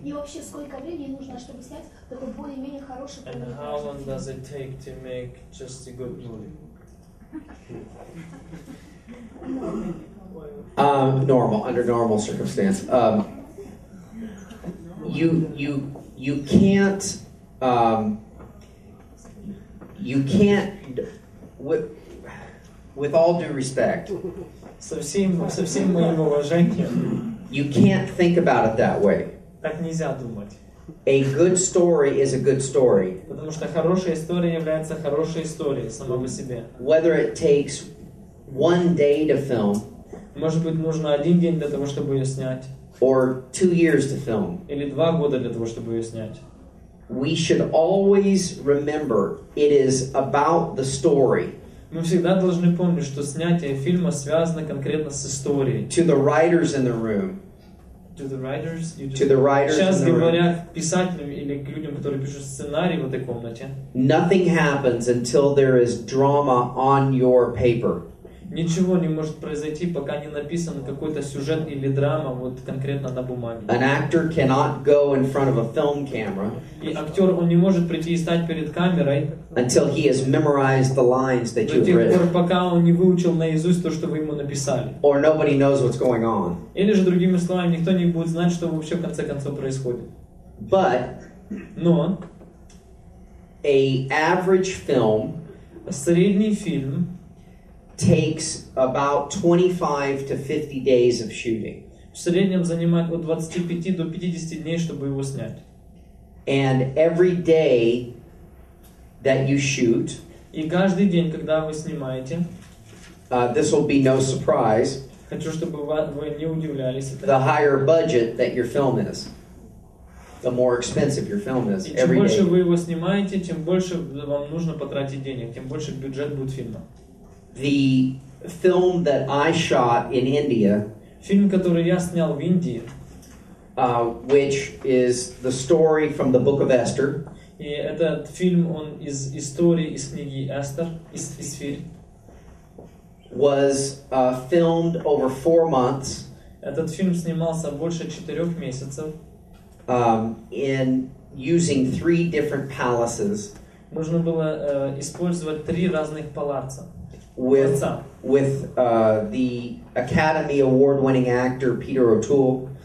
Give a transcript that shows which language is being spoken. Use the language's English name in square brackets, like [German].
[Russian] И вообще, сколько времени нужно, чтобы снять такой более-менее хороший фильм? [English] And how long does it take to make just a good movie? Normal, under normal circumstances. You can't... you can't, with all due respect, you can't think about it that way. [Russian] Так нельзя думать. [English] A good story is a good story. [Russian] Потому что хорошая история является хорошей историей сама по себе. [English] Whether it takes one day to film, [Russian] может быть, нужно один день для того, чтобы ее снять, [English] or 2 years to film, [Russian] или 2 года для того, чтобы ее снять. [English] We should always remember it is about the story. [Russian] Мы всегда должны помнить, что снятие фильма связано конкретно с историей. [English] To the writers in the room. To the writers. To the writers in the room. [Russian] Сейчас говоря писателям или к людям, которые пишут сценарий в этой комнате. [English] Nothing happens until there is drama on your paper. [Russian] Ничего не может произойти, пока не написан какой-то сюжет или драма вот конкретно на бумаге. [English] An actor cannot go in front of a film camera. [Russian] И актер, он не может прийти и стать перед камерой. [English] Until he has memorized the lines that you've written. [Russian] До тех пор, пока он не выучил наизусть то, что вы ему написали. [English] Or nobody knows what's going on. [Russian] Или же другими словами, никто не будет знать, что вообще в конце концов происходит. [English] But. [Russian] Но. [English] A average film. [Russian] Средний фильм. [English] Takes about 25 to 50 days of shooting. [Russian] В среднем занимает от 25 до 50 дней, чтобы его снять. [English] And every day that you shoot, [Russian] и каждый день, когда вы снимаете, [English] this will be no surprise, [Russian] хочу, чтобы вы не удивлялись, [English] the higher budget that your film is. The more expensive your film is, every day. [Russian] И чем больше вы его снимаете, тем больше вам нужно потратить денег, тем больше бюджет будет фильма. [English] The film that I shot in India, [Russian] фильм, который я снял в Индии, [English] which is the story from the Book of Esther. [Russian] И этот фильм, он из истории из книги Эстер, из Эсфир. [English] Was filmed over 4 months. [Russian] Этот фильм снимался больше 4 месяцев. [English] In using 3 different palaces. [Russian] Нужно было использовать 3 разных палаца. [English] With the Academy Award-winning actor Peter O'Toole.